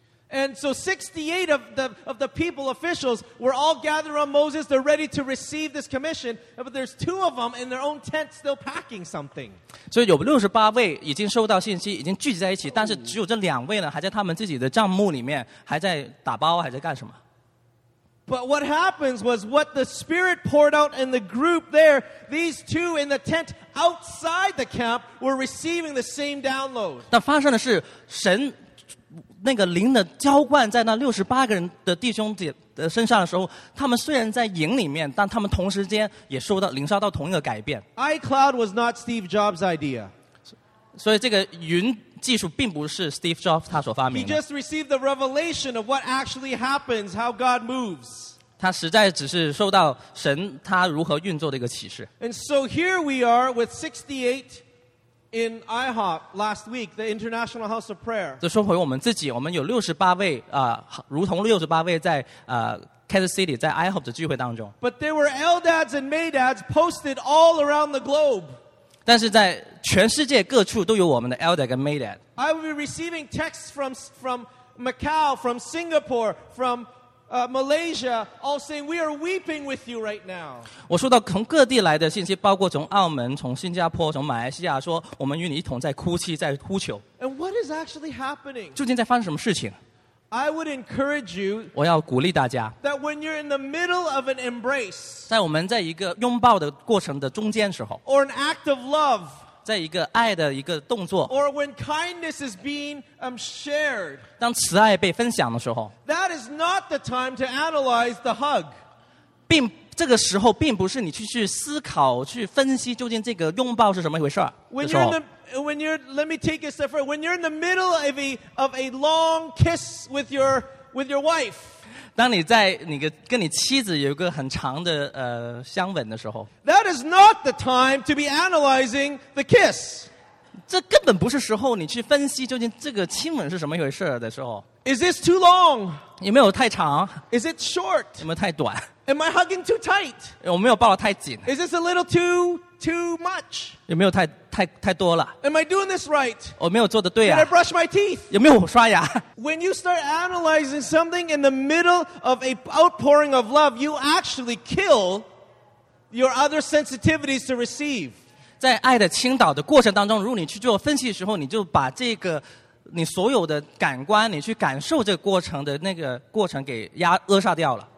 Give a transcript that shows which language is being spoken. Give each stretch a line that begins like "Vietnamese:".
English: And so 68 of the people, officials, were all gathered on Moses. They're ready to receive this commission. But there's two of them in their own tent still packing something.
Chinese: 所以有68位已经收到信息，已经聚集在一起，但是只有这两位呢，还在他们自己的帐幕里面，还在打包，还在干什么。
English: But what happens was what the Spirit poured out in the group there, these two in the tent outside the camp were receiving the same download.
Chinese: 但发生的是神 那个灵的浇灌在那68个人的弟兄身上的时候，他们虽然在营里面，但他们同时间也受到领受到同一个改变。
English: iCloud was not Steve Jobs' idea.
Chinese: 所以这个云技术并不是 Steve Jobs 他所发明的。
English: He just received the revelation of what actually happens, how God moves.
Chinese: 他实在只是受到神他如何运作的一个启示。
English: And so here we are with 68 in IHOP last week, the International House of Prayer.
Chinese: 就说回我们自己，我们有68位啊，如同68位在Kansas City 在 IHOP 的聚会当中。
English: But there were Eldads and Maydads posted all around the globe.
Chinese: 但是在全世界各处都有我们的 Eldad 跟 Maydad.
English: I will be receiving texts from Macau, from Singapore, from Malaysia, all saying we are weeping with you right now.
Chinese: 我收到从各地来的信息，包括从澳门、从新加坡、从马来西亚，说我们与你一同在哭泣，在呼求。
English: And what is actually happening?
Chinese: 究竟在发生什么事情？
English: I would encourage you.
Chinese: 我要鼓励大家。
English: That when you're in the middle of an embrace.
Chinese: 在我们在一个拥抱的过程的中间时候。
English: Or an act of love.
Chinese: 在一个爱的一个动作。
English: Or when kindness is being shared.
Chinese: 当慈爱被分享的时候。
English: That is not the time to analyze the hug.
Chinese: 并这个时候并不是你去思考去分析究竟这个拥抱是什么回事儿。
English: When you're in the middle of a long kiss with your wife.
Chinese: 当你在你跟你妻子有一个很长的相吻的时候。
English: That is not the time to be analyzing the kiss.
Chinese: 这根本不是时候你去分析究竟这个亲吻是什么回事的时候。
English: Is this too long?
Chinese: 有没有太长？
English: Is it short?
Chinese: 有没有太短？
English: Am I hugging too tight?
Chinese: 我没有抱得太紧。
English: Is this a little too much?
Chinese: 有没有太多了？
English: Am I doing this right?
Chinese: 我没有做得对啊。
English: Did I brush my teeth?
Chinese: 有没有刷牙？
English: When you start analyzing something in the middle of an outpouring of love, you actually kill your other sensitivities to receive.
Chinese: 在爱的倾倒的过程当中，如果你去做分析的时候，你就把这个你所有的感官，你去感受这个过程的那个过程给扼杀掉了。